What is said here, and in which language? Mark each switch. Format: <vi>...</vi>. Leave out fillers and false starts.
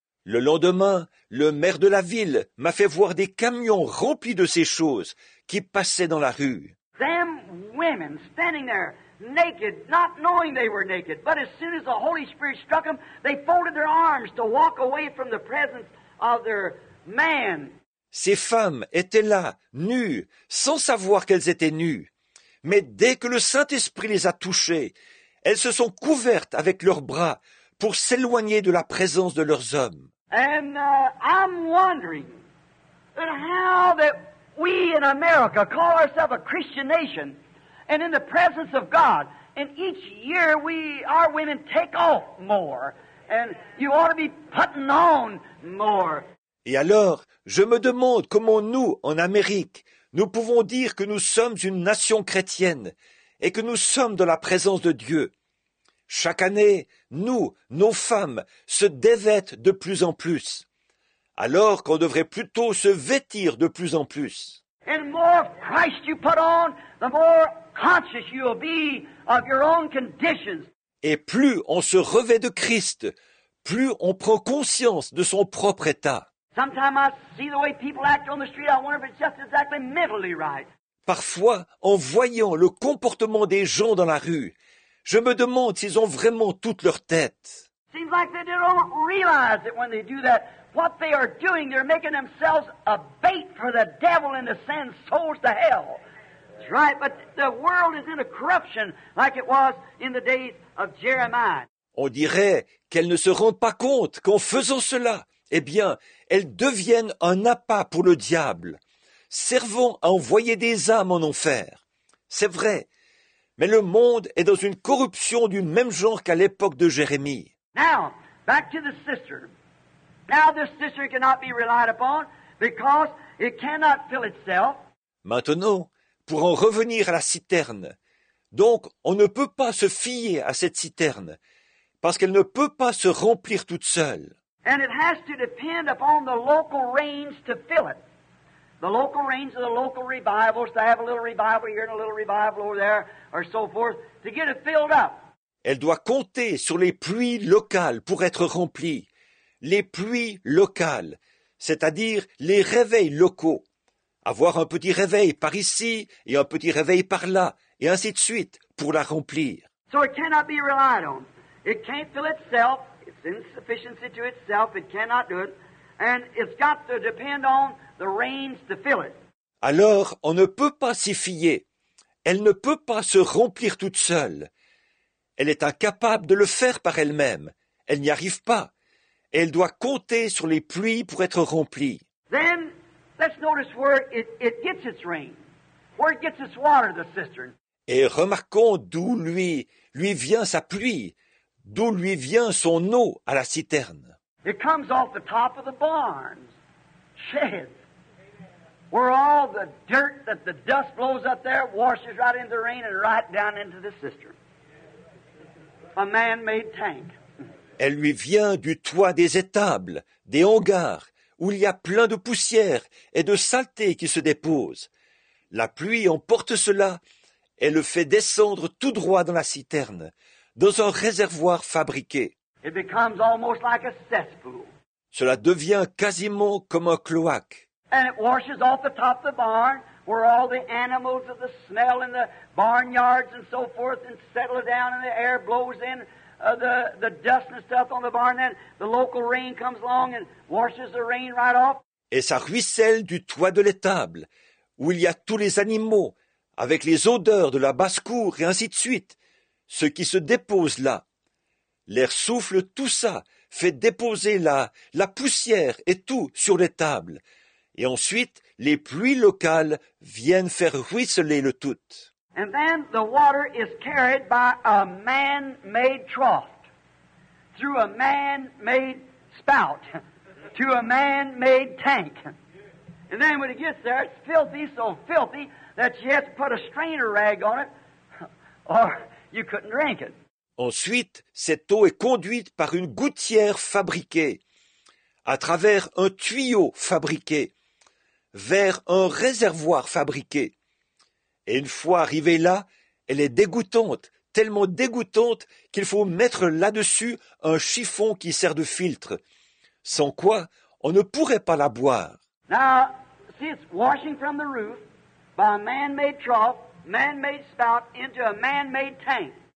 <fr>Le lendemain, le maire de la ville m'a fait voir des camions remplis de ces choses qui passaient dans la rue.</fr> <en>Them women standing there naked, not knowing they were naked, but as soon as the Holy Spirit struck them, they folded their arms to walk away from the presence of their man.</en> <fr>Ces femmes étaient là, nues, sans savoir qu'elles étaient nues. Mais dès que le Saint-Esprit les a touchées, elles se sont couvertes avec leurs bras pour s'éloigner de la présence de leurs hommes.</fr> <en>And I'm wondering how that we in America call ourselves a Christian nation and in the presence of God, and each year we our women take off more and you ought to be putting on more.</en> <fr>Et alors, je me demande comment nous, en Amérique, nous pouvons dire que nous sommes une nation chrétienne et que nous sommes dans la présence de Dieu. Chaque année, nous, nos femmes, se dévêtent de plus en plus, alors qu'on devrait plutôt se vêtir de plus en plus.</fr> <en>And the more Christ you put on, the more conscious you will be of your own conditions.</en> <fr>Et plus on se revêt de Christ, plus on prend conscience de son propre état.</fr> <en>Sometimes I see the way people act on the street, I wonder if it's just exactly mentally right.</en> <fr>Parfois, en voyant le comportement des gens dans la rue, je me demande s'ils ont vraiment toute leur tête.</fr> <en>Seems like they don't realize that when they do that, what they are doing, they're making themselves a bait for the devil and to send souls to hell. That's right, but the world is in a corruption like it was in the days of Jeremiah.</en> <fr>On dirait qu'elles ne se rendent pas compte qu'en faisant cela, eh bien, elles deviennent un appât pour le diable, servant à envoyer des âmes en enfer. C'est vrai, mais le monde est dans une corruption du même genre qu'à l'époque de Jérémie.</fr> <en>Now, back to the sister. Now the sister cannot be relied upon because it cannot fill itself.</en> <fr>Maintenant, pour en revenir à la citerne. Donc, on ne peut pas se fier à cette citerne parce qu'elle ne peut pas se remplir toute seule.</fr> <en>And it has to depend upon the local rains to fill it. The local rains of the local revivals to have a little revival here and a little revival over there or so forth to get it filled up.</en> <fr>Elle doit compter sur les pluies locales pour être remplie. Les pluies locales, c'est-à-dire les réveils locaux. Avoir un petit réveil par ici et un petit réveil par là et ainsi de suite pour la remplir.</fr> <en>So it cannot be relied on. It can't fill itself. It's insufficiency to itself. It cannot do it. And it's got to depend on the rains to fill it.</en> <fr>Alors, on ne peut pas s'y fier. Elle ne peut pas se remplir toute seule. Elle est incapable de le faire par elle-même. Elle n'y arrive pas. Et elle doit compter sur les pluies pour être remplie.</fr> <en>Then, let's notice where it gets its rain. Where it gets its water, the cistern.</en> <fr>Et remarquons d'où lui vient sa pluie. D'où lui vient son eau à la citerne.</fr> <en>It comes off the top of the barns. Sheds. Where all the dirt that the dust blows up there washes right into the rain and right down into the cistern. A man-made tank.</en> <fr>Elle lui vient du toit des étables, des hangars, où il y a plein de poussière et de saleté qui se déposent. La pluie emporte cela et le fait descendre tout droit dans la citerne, dans un réservoir fabriqué.</fr> <en>It becomes almost like a cesspool.</en> <fr>Cela devient quasiment comme un cloaque.</fr> <en>And it washes off the top of the barn, where all the animals of the smell in the barnyards and so forth and settle down and the air blows in. The dust and stuff on the barn, then the local rain comes along and washes the rain right off.</en> <fr>Et ça ruisselle du toit de l'étable, où il y a tous les animaux, avec les odeurs de la basse-cour et ainsi de suite, ce qui se dépose là. L'air souffle tout ça, fait déposer la poussière et tout sur l'étable. Et ensuite, les pluies locales viennent faire ruisseler le tout.</fr> <en>And then the water is carried by a man-made trough through a man-made spout to a man-made tank. And then when it gets there, it's filthy, so filthy that you have to put a strainer rag on it or you couldn't drink it.</en> <fr>Ensuite, cette eau est conduite par une gouttière fabriquée à travers un tuyau fabriqué vers un réservoir fabriqué. Et une fois arrivée là, elle est dégoûtante, tellement dégoûtante qu'il faut mettre là-dessus un chiffon qui sert de filtre, sans quoi on ne pourrait pas la boire.</fr> <en>Now, see, it's washing from the roof by a man-made trough, man-made spout into a man-made tank.</en>